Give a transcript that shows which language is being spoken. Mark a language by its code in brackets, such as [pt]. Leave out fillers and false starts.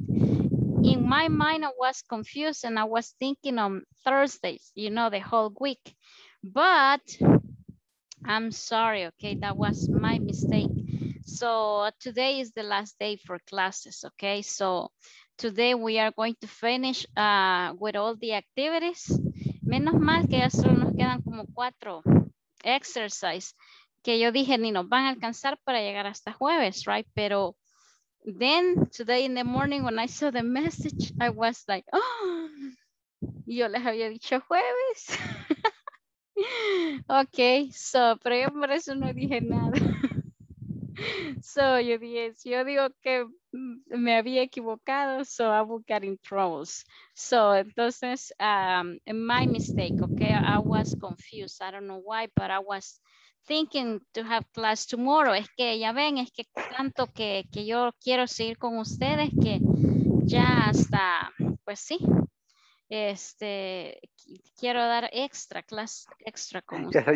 [en] In my mind, I was confused and I was thinking on Thursdays, you know, the whole week. But I'm sorry, okay, that was my mistake. So today is the last day for classes, okay? So today we are going to finish with all the activities. [es] Menos mal que ya solo nos quedan como cuatro exercises que yo dije ni nos van a alcanzar para llegar hasta jueves, right? [en] Pero then today in the morning when I saw the message, I was like, oh, yo les había dicho jueves. [es] Okay, so, pero yo por eso no dije nada. So, yo dije, yo digo que me había equivocado, so I will get in troubles. [en] So, entonces, my mistake, okay, I was confused. I don't know why, but I was thinking to have class tomorrow. [es] Es que ya ven, es que tanto que yo quiero seguir con ustedes que ya hasta, pues sí, este, quiero dar extra class, extra con ustedes.